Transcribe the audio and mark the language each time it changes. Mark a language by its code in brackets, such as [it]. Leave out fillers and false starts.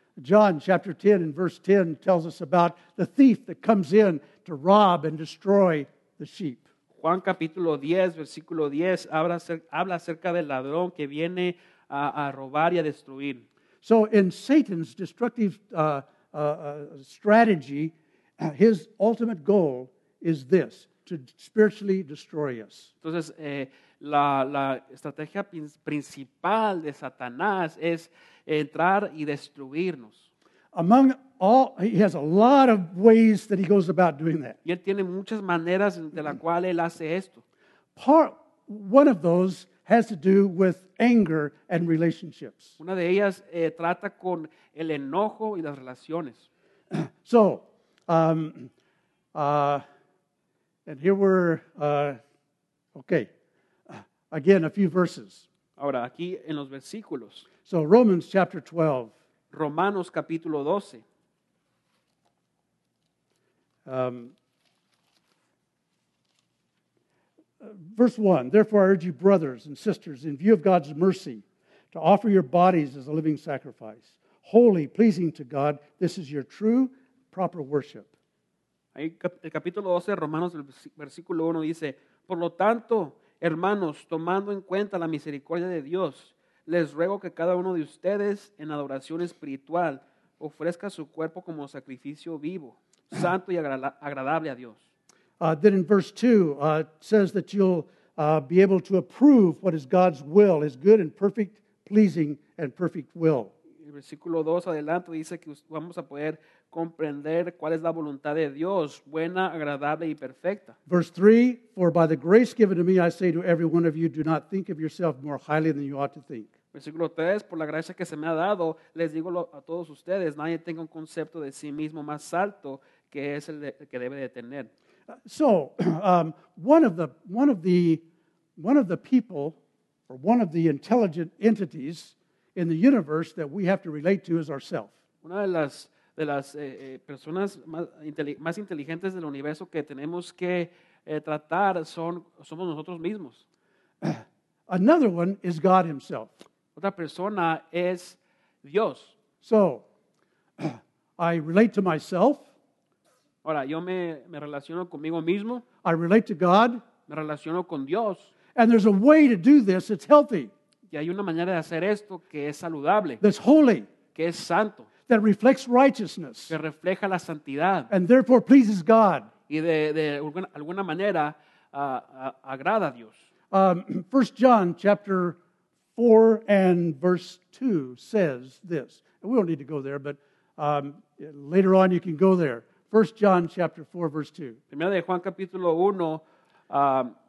[en] John chapter 10 and verse 10 tells us about the thief that comes in to rob and destroy the sheep. [es] Juan capítulo 10 versículo 10 habla acerca del ladrón que viene a robar y a destruir. [en] So in Satan's destructive strategy, his ultimate goal is this: to spiritually destroy us. [es] Entonces, la estrategia principal de Satanás es entrar y destruirnos. [en] Among all, he has a lot of ways that he goes about doing that. [es] Y él tiene muchas maneras de la cual él hace esto. [en] One of those has to do with anger and relationships. [es] Una de ellas trata con el enojo y las relaciones. [en] So, and here we're, okay, again, a few verses. [es] Ahora, aquí en los versículos. [en] So, Romans chapter 12. [es] Romanos capítulo 12. [en] Verse 1, therefore I urge you, brothers and sisters, in view of God's mercy, to offer your bodies as a living sacrifice, holy, pleasing to God. This is your true, proper worship. [es] Ahí, el capítulo 12 de Romanos, el versículo 1 dice, por lo tanto, hermanos, tomando en cuenta la misericordia de Dios, les ruego que cada uno de ustedes, en adoración espiritual, ofrezca su cuerpo como sacrificio vivo, santo y agradable a Dios. [en] Then in verse 2, it says that you'll be able to approve what is God's will, his good and perfect, pleasing and perfect will. [es] El versículo 2 adelante dice que vamos a poder comprender cuál es la voluntad de Dios, buena, agradable y perfecta. [en] Verse 3, for by the grace given to me, I say to every one of you, do not think of yourself more highly than you ought to think. [es] Versículo 3, por la gracia que se me ha dado, les digo a todos ustedes, nadie tenga un concepto de sí mismo más alto que es el, el que debe de tener. [en] So, one of the people, or one of the intelligent entities in the universe that we have to relate to is ourselves. [es] Una de las personas más inteligentes del universo que tenemos que tratar somos nosotros mismos. [en] Another one is God himself. [es] Otra persona es Dios. [en] So, I relate to myself. [es] Ahora, yo me relaciono conmigo mismo. [en] I relate to God. [es] Me relaciono con Dios. [en] And there's a way to do this. It's healthy. [es] Y hay una manera de hacer esto que es saludable. [en] That's holy. [es] Que es santo. [en] That reflects righteousness. [es] Que refleja la santidad. [en] And therefore pleases God. [es] Y de alguna manera agrada a Dios. [en] 1 John chapter 4 and verse 2 says this. And we don't need to go there, but later on you can go there. 1 John chapter 4 verse 2. [es] Primera de Juan capítulo 1